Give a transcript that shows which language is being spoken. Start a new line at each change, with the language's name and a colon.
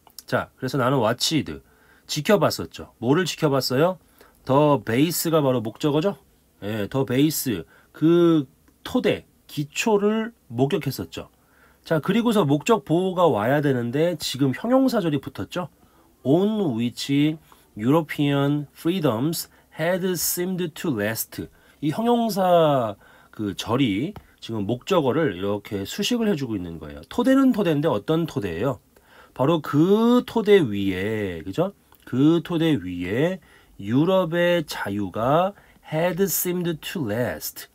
Korean: 자, 그래서 나는 watched, 지켜봤었죠. 뭐를 지켜봤어요? The base가 바로 목적어죠. 예, the base, 그 토대, 기초를 목격했었죠. 자, 그리고서 목적 보호가 와야 되는데 지금 형용사절이 붙었죠.
English: On which European freedoms had seemed to rest.
Korean: 이 형용사 그 절이 지금 목적어를 이렇게 수식을 해주고 있는 거예요. 토대는 토대인데 어떤 토대예요? 바로 그 토대 위에, 그죠? 그 토대 위에 유럽의 자유가
English: had seemed to rest.